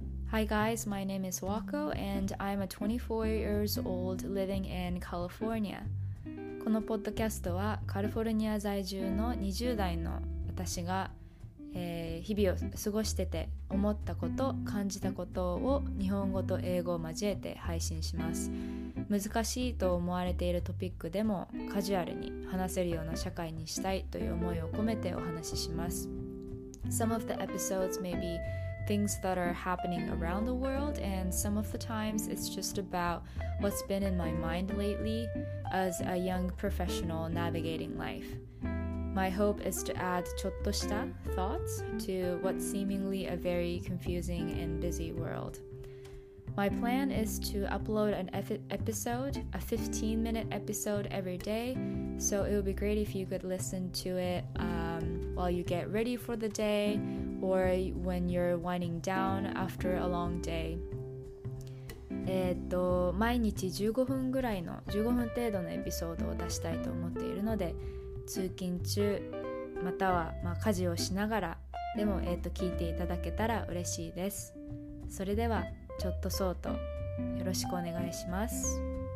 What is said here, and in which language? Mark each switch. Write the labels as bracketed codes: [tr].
[en] Hi guys, my name is Wako and I'm a 24 years old living in California. [ja] このポッドキャストはカリフォルニア在住の20代の私が、日々を過ごしてて思ったこと、感じたことを日本語と英語を交えて配信します。難しいと思われているトピックでもカジュアルに話せるような社会にしたいという思いを込めてお話しします。 [en] Some of the episodes may be things that are happening around the world, and some of the times it's just about what's been in my mind lately as a young professional navigating life. My hope is to add [ja] ちょっとした [en] thoughts to what's seemingly a very confusing and busy world. My plan is to upload an episode, a 15-minute episode every day, so it would be great if you could listen to it while you get ready for the day or when you're winding down after a long day. [ja] 毎日15分程度のエピソードを出したいと思っているので、通勤中または、まあ、家事をしながらでも、聞いていただけたら嬉しいです。それではちょっとそうとよろしくお願いします。